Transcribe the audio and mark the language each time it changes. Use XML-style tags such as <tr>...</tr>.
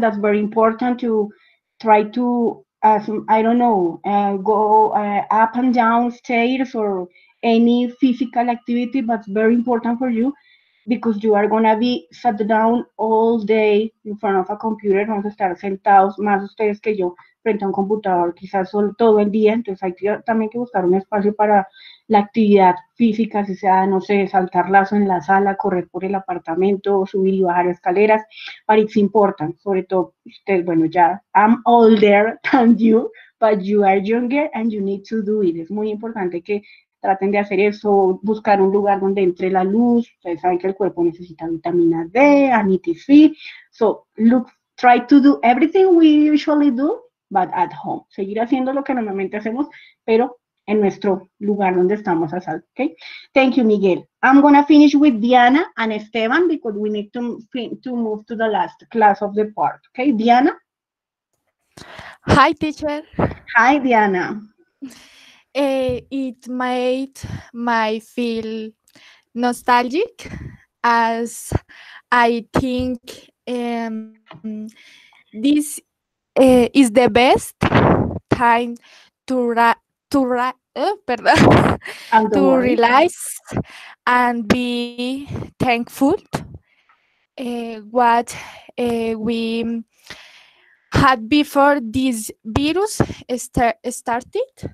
<en>That's very important to try to, go up and down stairs or any physical activity, but very important for you because you are going to be sat down all day in front of a computer.</en> <es>Vamos a estar sentados más ustedes que yo frente a un computador, quizás solo todo el día. Entonces hay que también que buscar un espacio para la actividad física, si sea, no sé, saltar lazo en la sala, correr por el apartamento, subir y bajar escaleras.</es> <en>But it's important,</en> <es>sobre todo usted, bueno, ya</es> <en>I'm older than you, but you are younger and you need to do it.</en> <es>Es muy importante que traten de hacer eso, buscar un lugar donde entre la luz. Ustedes saben que el cuerpo necesita vitamina D, ANITC.</es> <en>So look, try to do everything we usually do, but at home.</en> <es>Seguir haciendo lo que normalmente hacemos, pero en nuestro lugar donde estamos a salvo, okay?</es> <en>Thank you, Miguel. I'm going to finish with Diana and Esteban because we need to move to the last class of the part, okay? Diana? Hi, teacher. Hi, Diana. It made me feel nostalgic as I think this is the best time to realize and be thankful what we had before this virus started.</en>